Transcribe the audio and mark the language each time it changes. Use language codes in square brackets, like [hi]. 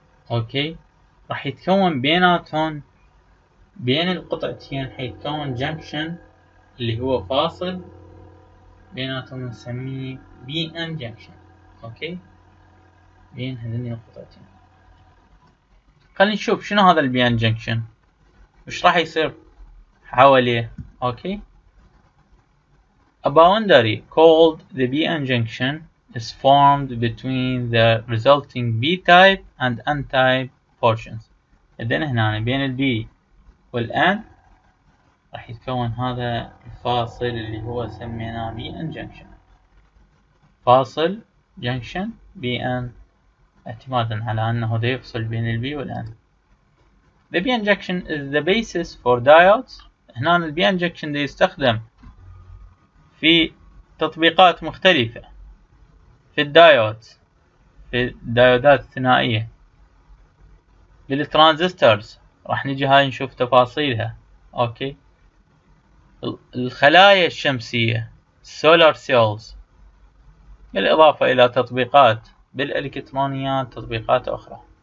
[ar] اوكي، راح يتكون بيناتهم بين القطعتين حيتكون جنكشن اللي هو فاصل بيناتهم نسميه بي ام جنكشن. اوكي، بين هذين القطعتين. خلينا نشوف شنو هذا البي ان جنكشن، وش راح يصير حواليه. اوكي، [en] A boundary called the PN junction is formed between the resulting B type and N type portions. [ar] إذن هنا بين ال B وال N راح يتكون هذا الفاصل اللي هو سميناه PN junction. فاصل junction PN اعتمادا على انه ده يفصل بين ال B وال N. [en] The PN junction is the basis for diodes. [ar] هنا ال PN junction ده يستخدم في تطبيقات مختلفة، في الدايود، في الدايودات الثنائية، بالترانزستورز راح نجي هاي نشوف تفاصيلها. اوكي، الخلايا الشمسية سولار سيلز، بالإضافة الى تطبيقات بالالكترونيات تطبيقات اخرى.